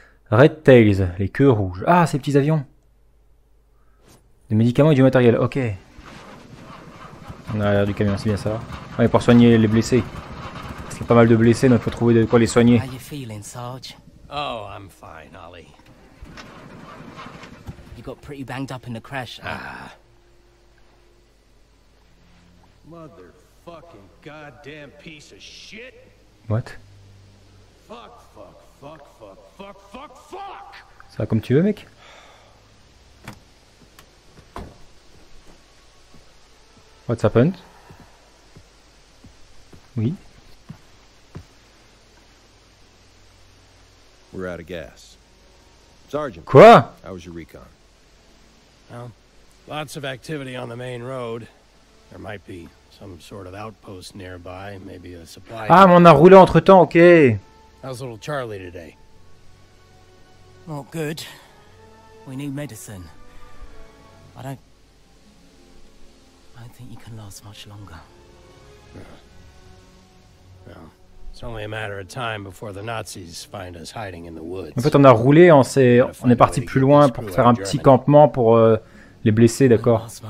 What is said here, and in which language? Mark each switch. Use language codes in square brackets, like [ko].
[fr] Red Tails, les queues rouges. Ah, ces petits avions. Des médicaments et du matériel, ok. On a l'air du camion, c'est bien ça. Ouais, pour soigner les blessés. Parce qu'il y a pas mal de blessés, donc il faut trouver de quoi les soigner. [en] How you feeling, Sarge? Oh, I'm fine, Ollie. You got pretty banged up in the crash. Ah. Motherfucking goddamn piece of shit. What? Fuck, fuck, fuck, fuck, fuck, fuck, fuck! [fr] Ça va comme tu veux, mec. [en] What's happened? [fr] Oui. [en] We're out of gas. Sergeant. [fr] Quoi? [en] How was your recon? Well, lots of activity on the main road. There might be some sort of outpost nearby, maybe a supply. [fr] Ah, mais on a roulé entre temps, ok. [en] How's little Charlie today? Not good. We need medicine. I don't think you can last much longer. Well, it's only a matter of time before the Nazis find us hiding in the woods. [fr] En fait, on a roulé, on est parti plus loin pour faire un petit campement pour les blessés, d'accord.